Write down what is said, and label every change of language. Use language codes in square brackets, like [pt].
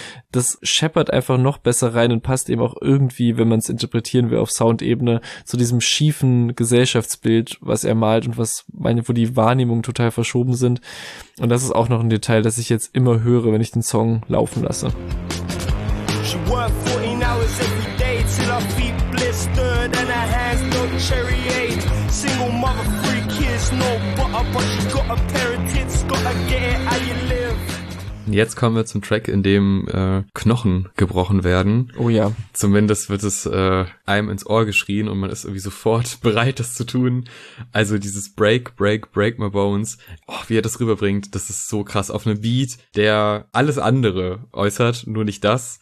[de] Das scheppert einfach noch besser rein und passt eben auch irgendwie, wenn man es interpretieren will, auf Soundebene zu diesem schiefen Gesellschaftsbild, was er malt und die Wahrnehmungen total verschoben sind. Und das ist auch noch ein Detail, das ich jetzt immer höre, wenn ich den Song laufen lasse. [en] She worked 14 hours every day till her feet blistered and her hands don't cherry aid. Single mother, three kids, no butter, but she's got a pair of tits, gotta get it how you live. [de] Jetzt kommen wir zum Track, in dem Knochen gebrochen werden. Oh ja. Zumindest wird es einem ins Ohr geschrien und man ist irgendwie sofort bereit, das zu tun. Also dieses Break, Break, Break My Bones. Oh, wie er das rüberbringt, das ist so krass. Auf einem Beat, der alles andere äußert, nur nicht das.